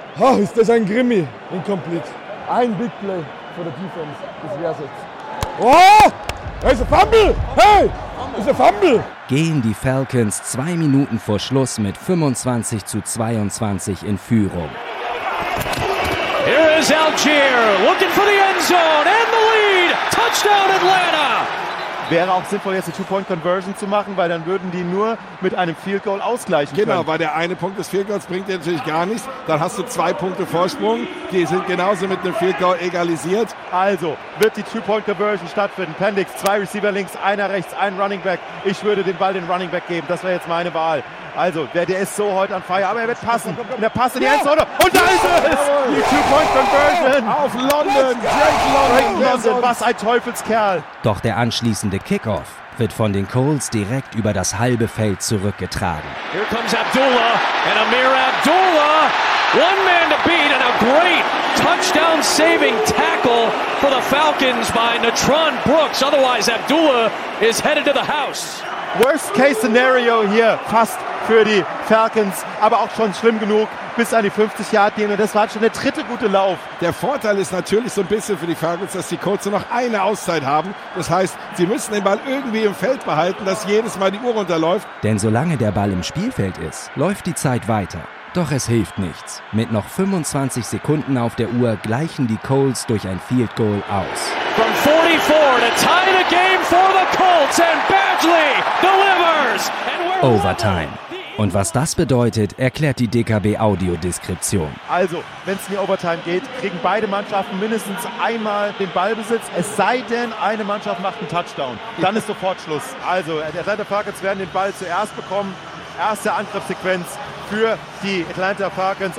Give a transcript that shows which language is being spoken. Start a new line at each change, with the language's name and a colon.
German: Oh, ist das ein Grimmi? Incomplete. Ein Big Play für die Defense. Das wär's jetzt. Oh! Das ist ein Fumble! Hey! Das ist ein Fumble! Gehen die Falcons 2 Minuten vor Schluss mit 25-22 in Führung.
English: Here is Allgeier, looking for the end zone and the lead. Touchdown Atlanta!
German: Wäre auch sinnvoll, jetzt eine Two-Point-Conversion zu machen, weil dann würden die nur mit einem Field-Goal ausgleichen genau, können. Genau, weil der eine Punkt des Field-Goals bringt dir natürlich gar nichts. Dann hast du 2 Punkte Vorsprung. Die sind genauso mit einem Field-Goal egalisiert. Also wird die Two-Point-Conversion stattfinden. Penix, 2 Receiver links, einer rechts, ein Running Back. Ich würde den Ball den Running Back geben. Das wäre jetzt meine Wahl. Also, der ist so heute an Feier, aber er wird passen. Und er passt in die Endzone. Und da ist es! Die Two-Point-Conversion! Auf London! Drake London! Was ein Teufelskerl! Doch der anschließende Kickoff wird von den Colts direkt über das halbe Feld zurückgetragen.
English: Here comes Abdullah and Amir Abdullah! One man to beat and a great touchdown-saving tackle for the Falcons by Natron Brooks. Otherwise, Abdullah is headed to the house.
German: Worst-Case-Scenario hier, fast für die Falcons, aber auch schon schlimm genug, bis an die 50-Yard-Linie. Das war schon der dritte gute Lauf. Der Vorteil ist natürlich so ein bisschen für die Falcons, dass die Colts noch eine Auszeit haben. Das heißt, sie müssen den Ball irgendwie im Feld behalten, dass jedes Mal die Uhr runterläuft. Denn solange der Ball im Spielfeld ist, läuft die Zeit weiter. Doch es hilft nichts. Mit noch 25 Sekunden auf der Uhr gleichen die Colts durch ein Field Goal aus.
English: From 44 to tie the game for the Colts and Badgley delivers.
German: Overtime. Und was das bedeutet, erklärt die DKB Audiodeskription. Also, wenn es in die Overtime geht, kriegen beide Mannschaften mindestens einmal den Ballbesitz. Es sei denn, eine Mannschaft macht einen Touchdown. Dann ist sofort Schluss. Also, die Atlanta Falcons werden den Ball zuerst bekommen. Erste Angriffssequenz für die Atlanta Falcons.